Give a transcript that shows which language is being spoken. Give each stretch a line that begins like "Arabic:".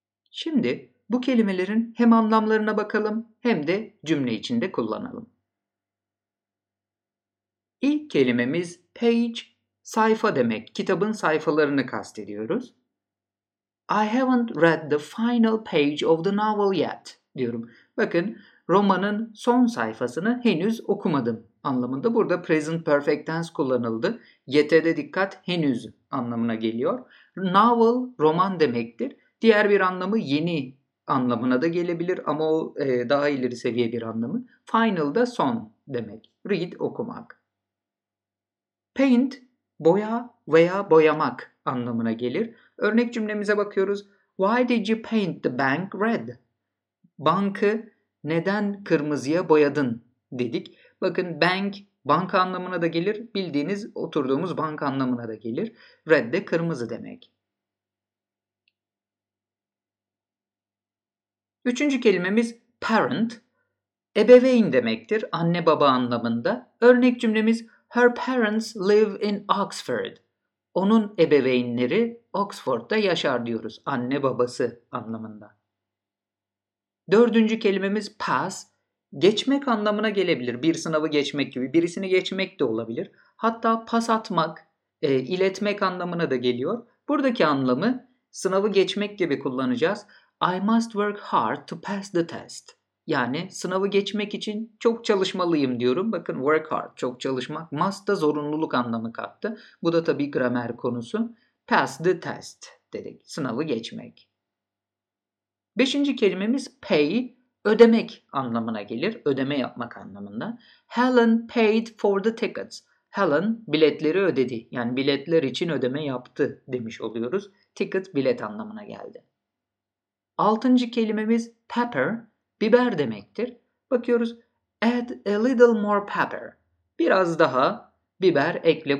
Turkish: Şimdi bu kelimelerin hem anlamlarına bakalım hem de cümle içinde kullanalım. İlk kelimemiz page. Sayfa demek, kitabın sayfalarını kastediyoruz.
English: I haven't read the final page of the novel yet,
Turkish: diyorum. Bakın, romanın son sayfasını henüz okumadım anlamında. Burada present perfect tense kullanıldı. Yet'e de dikkat, henüz anlamına geliyor. Novel, roman demektir. Diğer bir anlamı yeni anlamına da gelebilir ama o daha ileri seviye bir anlamı. Final da son demek. Read, okumak. Paint, boya veya boyamak anlamına gelir. Örnek cümlemize bakıyoruz.
English: Why did you paint the bank red?
Turkish: Bankı neden kırmızıya boyadın dedik. Bakın bank, banka anlamına da gelir. Bildiğiniz oturduğumuz bank anlamına da gelir. Red de kırmızı demek. Üçüncü kelimemiz parent. Ebeveyn demektir. Anne baba anlamında. Örnek cümlemiz
English: her parents live in Oxford.
Turkish: Onun ebeveynleri Oxford'da yaşar diyoruz. Anne babası anlamında. Dördüncü kelimemiz pass. Geçmek anlamına gelebilir. Bir sınavı geçmek gibi. Birisini geçmek de olabilir. Hatta pas atmak, iletmek anlamına da geliyor. Buradaki anlamı sınavı geçmek gibi kullanacağız.
English: I must work hard to pass the test.
Turkish: Yani sınavı geçmek için çok çalışmalıyım diyorum. Bakın work hard, çok çalışmak. Must da zorunluluk anlamı kattı. Bu da tabii gramer konusu.
English: Pass the test
Turkish: dedik. Sınavı geçmek. Beşinci kelimemiz pay, ödemek anlamına gelir. Ödeme yapmak anlamında.
English: Helen paid for the tickets.
Turkish: Helen biletleri ödedi. Yani biletler için ödeme yaptı demiş oluyoruz. Ticket bilet anlamına geldi. Altıncı kelimemiz pepper. Biber demektir. Bakıyoruz.
English: Add a little more pepper.
Turkish: Biraz daha biber ekle.